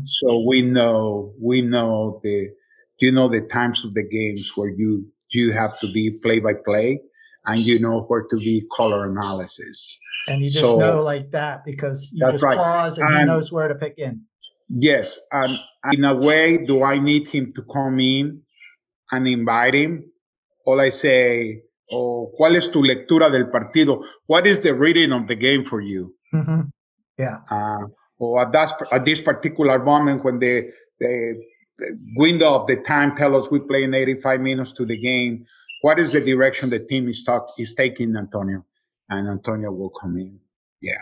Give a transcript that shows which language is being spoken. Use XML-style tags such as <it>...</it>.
<en>So we know the times of the games where you have to be play by play, and you know where to be color analysis. And you just know like that because you just pause and he knows where to pick in. Yes. And in a way, do I need him to come in and invite him? Or I say, oh,</en> <es>¿cuál es tu lectura del partido?</es> <en>What is the reading of the game for you? Mm-hmm. Yeah. Or at this particular moment when the window of the time tells us we play in 85 minutes to the game, what is the direction the team is taking, Antonio? And Antonio will come in. Yeah.</en>